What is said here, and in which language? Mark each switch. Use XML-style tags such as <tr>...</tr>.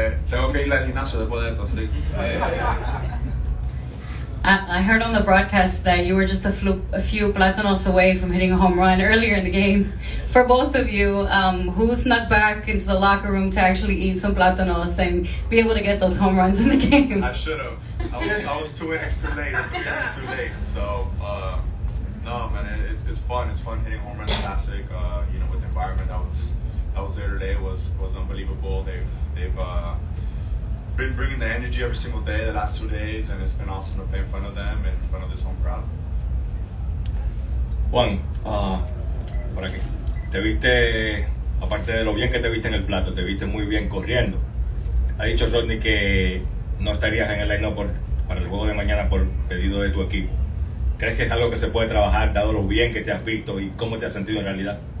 <es>Tengo que ir al gimnasio después de esto, sí.</es> <en>I heard on the broadcast that you were just a few plátanos away from hitting a home run earlier in the game. For both of you, who snuck back into the locker room to actually eat some plátanos and be able to get those home runs in the game? I should have. I was 2 innings too late. So, no, man, it's fun. It's fun hitting home runs. Classic, you know, with the environment that was there today was unbelievable. They've been bringing the energy every single day the last 2 days, and it's been awesome to play in front of them and in front of this home crowd.</en> <es>Juan, por aquí. Te viste, aparte de lo bien que te viste en el plato, te viste muy bien corriendo. Ha dicho Rodney que no estarías en el line-up para el juego de mañana por pedido de tu equipo. ¿Crees que es algo que se puede trabajar, dado lo bien que te has visto y cómo te has sentido en realidad?</es>